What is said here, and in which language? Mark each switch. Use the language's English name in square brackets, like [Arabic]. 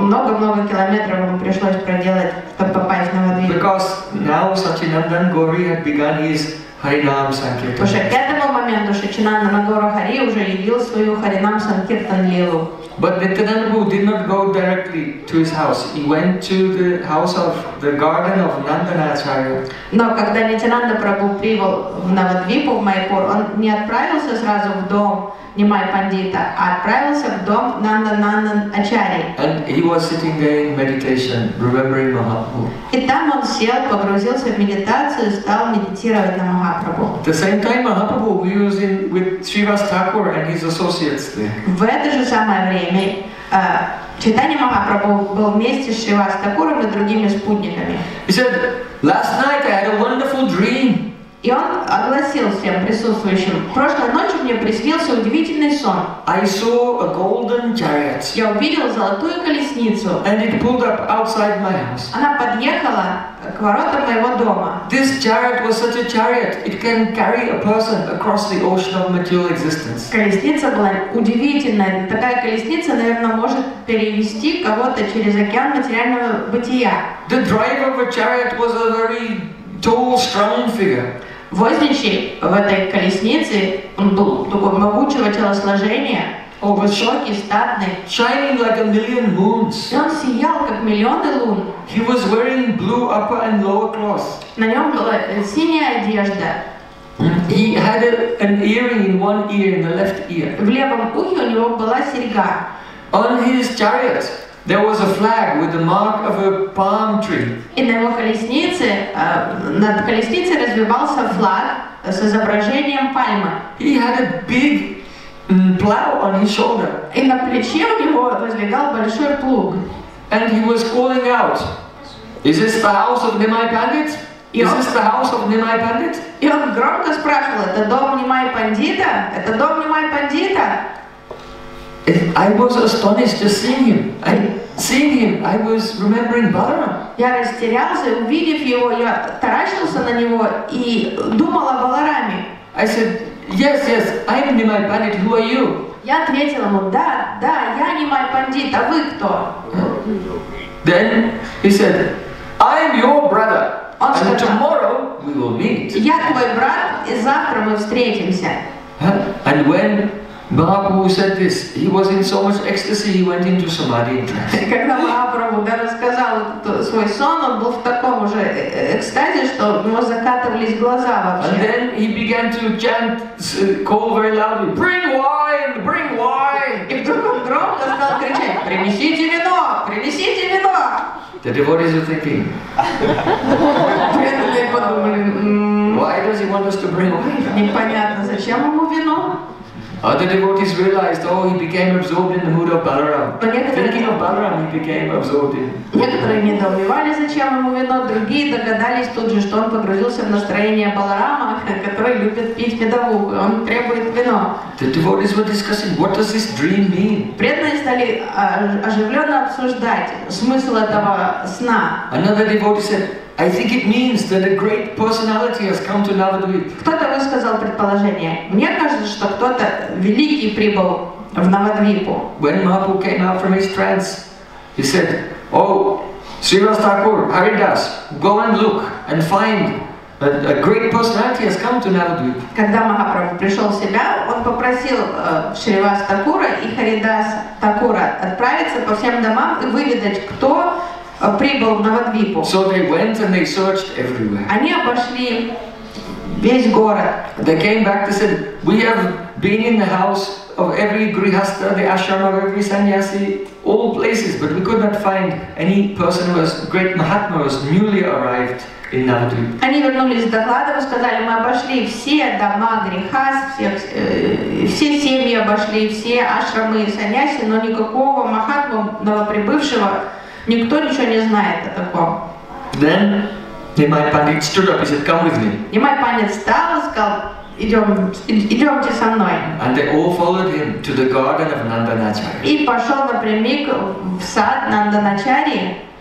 [Russian] Много-много километров ему пришлось проделать, чтобы попасть на Навадвип. [English] Because now Сачинандан Гори had begun his Харинам Санкиртан. [Russian] Потому что к этому моменту Шачинанда Нагора Хари уже явил свою Харинам Санкиртан Лилу. [English] But Nityananda Prabhu did not go directly to his house. He went to the house of the garden of Nandana Acharya. [Russian] Но когда Нитянанда Прабху прибыл в Навадвипу, в Майпур, он не отправился сразу в дом Нимай Пандита, а отправился в дом Нанданандан Ачари. [English] And he was sitting there in meditation, remembering Mahaprabhu. [Russian] И там он сел, погрузился в медитацию, стал медитировать на Махапрабху. [English] At the same time, Mahaprabhu was in with Srivas Thakur and his associates there. [Russian] В это же самое время Чайтанья Махапрабху был вместе с Шривас Такуром и другими спутниками. [English] He said, last night I had a wonderful dream. [Russian] И он огласил всем присутствующим, прошлой ночью мне приснился удивительный сон. [English] I saw a golden chariot. [Russian] Я увидел золотую колесницу. [English] And it pulled up outside my house. [Russian] Она подъехала к воротам моего дома. [English] This chariot was such a chariot, it can carry a person across the ocean of material existence. [Russian] Колесница была удивительная. Такая колесница, наверное, может перевести кого-то через океан материального бытия. [English] The driver of a chariot was a very tall, strong figure. [Russian] Возничий в этой колеснице, он был такого могучего телосложения, высокий, статный. [English] Shining like a million moons. [Russian] И он сиял, как миллионы лун. [English] He was wearing blue upper and lower cloth. [Russian] На нем была синяя одежда. [English] He had an earring in one ear, in the left ear. [Russian] В левом ухе у него была серьга. [English] On his chariot there was a flag with the mark of a palm tree. [Russian] И на его колеснице, над колесницей развивался флаг с изображением пальмы. [English] He had a big plow on his shoulder. [Russian] И на плече у него возлегал большой плуг. [English] and he was calling out, "Is this the house of Nimai Pandit? Is this the house of Nimai Pandit?" [Russian] И он громко спрашивал: "Это дом Нимай Пандита? Это дом Нимай Пандита?" [English] I was astonished to see him. I was remembering Balaram. [Russian] Я растерялся, увидев его, я таращился на него и думал о Балараме. [English] I said, "Yes, yes, I'm Nimai Pandit. Who are you?" [Russian] Я ответил ему: "Да, да, я Нимай Пандит. А вы кто?" [English] Then he said, "I'm your brother. And tomorrow we will meet." [Russian] Я твой брат, и завтра мы встретимся. [English] And when Mahaprabhu said this, he was in so much ecstasy, he went into samadhi. [Russian] Когда Махапрабху рассказал свой сон, он был в таком же экстазе, что у него закатывались глаза вообще. [English] And then he began to chant, call very loudly, "Bring wine, bring wine!" [Russian] И вдруг он громко стал кричать: "Принесите вино, принесите вино!" [English] The devotees are thinking, why does he want us to bring wine? Other devotees realized, oh, he became absorbed in the mood of Balaram. Thinking of Balaram, he became absorbed in. [Russian] Некоторые недоумевали, зачем ему вино, другие догадались тут же, что он погрузился в настроение Баларама, который любит пить медовуху, он требует вино. [English] The devotees were discussing, what does this dream mean? [Russian] Преданные стали оживленно обсуждать смысл этого сна. [English] Another devotee said, I think it means that a great personality has come to Navadvip. [Russian] Кто-то высказал предположение. Мне кажется, что кто-то великий прибыл в Навадвипу. [English] When Mahaprabhu came out from his trance, he said, "Oh, Srivas Thakur, Haridas, go and look and find a great personality has come to Navadvip." [Russian] Когда Махапрабху пришел в себя, он попросил Шривас Такура и Харидас Такура отправиться по всем домам и выведать, кто прибыл в Навадвипу. [English] So they went and they searched everywhere. [Russian] Они обошли весь город. [English] They came back and said, "We have been in the house of every grihastha, the ashram of every sannyasi, all places, but we could not find any person who was great mahatma who was newly arrived in Navadvip." [Russian] Они вернулись с докладом и сказали: "Мы обошли все дома грихаст, все семьи обошли, все ашрамы и сannyasi, но никакого махатма новоприбывшего. Никто ничего не знает о таком." [English] Then Nimai Pandit stood up. He said, "Come with me." [Russian] Nimai Pandit встал и сказал: "Идемте со мной." [English] And they all followed him to the garden of Nandanachari. [Russian] И пошел напрямик в сад Нанданачари.